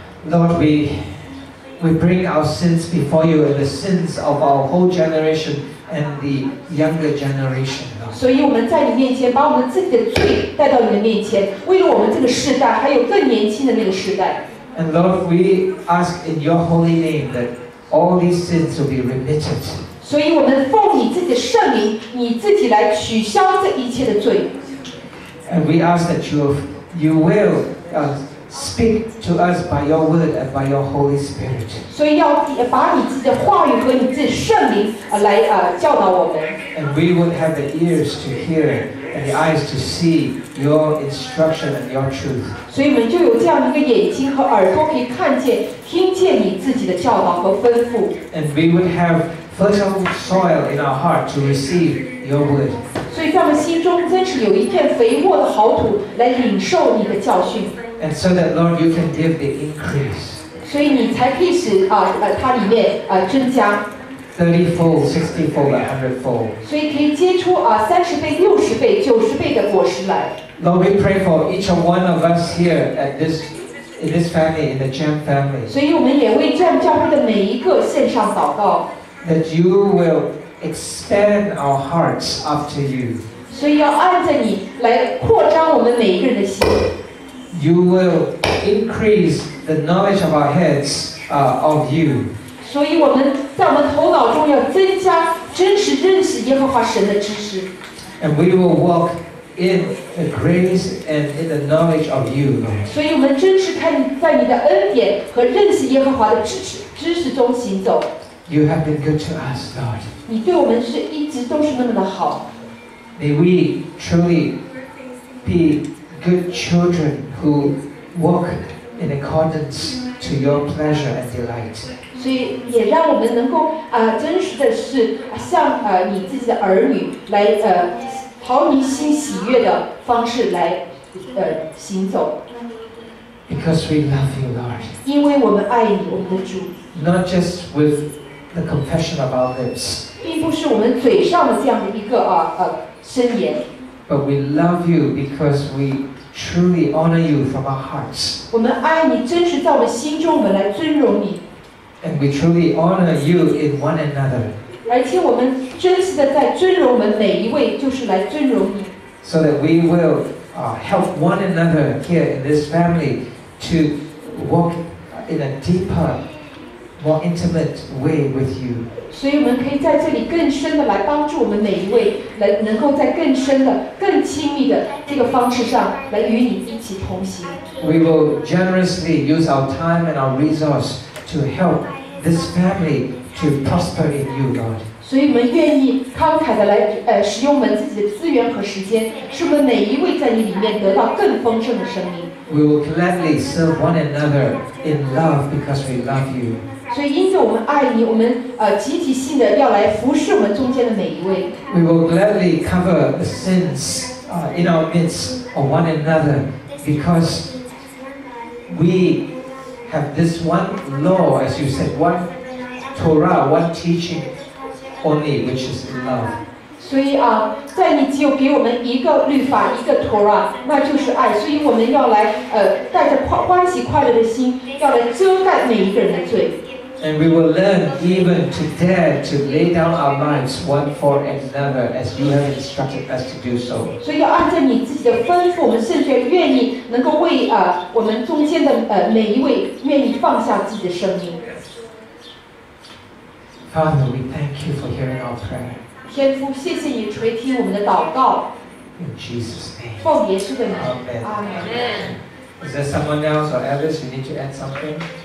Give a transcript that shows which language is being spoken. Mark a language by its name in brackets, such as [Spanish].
[English] Lord, we bring our sins before you and the sins of our whole generation. And the younger generation. [Chinese] 所以我们在你面前把我们自己的罪带到你的面前，为了我们这个世代，还有更年轻的那个世代。 [English] And Lord, we ask in your holy name that all these sins will be remitted. [Chinese] 所以我们奉你自己的圣名，你自己来取消这一切的罪。 [English] And we ask that you will speak to us by your word and by your Holy Spirit. [Chinese] 所以要把你自己的话语和你自己圣灵来教导我们。 [English] And we would have the ears to hear and the eyes to see your instruction and your truth. [Chinese] 所以我们就有这样一个眼睛和耳朵，可以看见、听见你自己的教导和吩咐。 [English] And we would have fertile soil in our heart to receive your word. [Chinese] 所以在我们心中真是有一片肥沃的好土来领受你的教训。 [English] And so that Lord, you can give the increase. [Chinese] 所以你才可以使它里面增加。 [English] 30-fold, 60-fold, 100-fold. [Chinese] 所以可以结出30倍、60倍、90倍的果实来。 [English] Lord, we pray for each one of us here at this, in this family, in the Jam family. [Chinese] 所以我们也为这样教会的每一个献上祷告。 [English] That you will expand our hearts after you. [Chinese] 所以要按着你来扩张我们每一个人的心。 [English] You will increase the knowledge of our heads, of you. [Chinese] 所以我们在我们头脑中要增加真实认识耶和华神的知识。 [English] And we will walk in the grace and in the knowledge of you, Lord. [Chinese] 所以我们真实看在你的恩典和认识耶和华的知识中行走。 [English] You have been good to us, Lord. [Chinese] 你对我们是一直都是那么的好。 [English] May we truly be good children who walk in accordance to your pleasure and delight. [Chinese] 所以也让我们能够真实的是像你自己的儿女来讨你心喜悦的方式来行走。 [English] Because we love you, Lord. [Chinese] 因为我们爱你，我们的主。 [English] Not just with the confession of our lips. [Chinese] 并不是我们嘴上的这样的一个宣言。 [English] But we love you because we truly honor you from our hearts. [Chinese] 我们爱你，真实在我们心中，我们来尊荣你。 [English] And we truly honor you in one another. [Chinese] 而且我们真实的在尊荣我们每一位，就是来尊荣你。 [English] So that we will help one another here in this family to walk in a deeper, more intimate way with you. [Chinese] 所以我们可以在这里更深的来帮助我们每一位，来能够在更深的、更亲密的这个方式上来与你一起同行。 [English] We will generously use our time and our resource to help this family to prosper in you, Lord. [Chinese] 所以我们愿意慷慨的来使用我们自己的资源和时间，使我们每一位在你里面得到更丰盛的生命。 [English] We will gladly serve one another in love because we love you. [Chinese] 所以因着我们爱你，我们集体性的要来服侍我们中间的每一位。 [English] We will gladly cover the sins in our midst of one another because we have this one law, as you said, one Torah, one teaching only, which is love. [Chinese] 所以啊，在你只有给我们一个律法，一个 Torah, 那就是爱。所以我们要来带着欢喜快乐的心，要来遮盖每一个人的罪。 [English] And we will learn even to dare to lay down our lives one for another as you have instructed us to do so. [Chinese] 所以要按照你自己的吩咐，我们甚至愿意能够为我们中间的每一位愿意放下自己的生命。 [English] Father, we thank you for hearing our prayer. [Chinese] 天父，谢谢你垂听我们的祷告。 [English] In Jesus' name. [Chinese] 奉耶稣的名。 [English] Amen. Is there someone else or others you need to add something?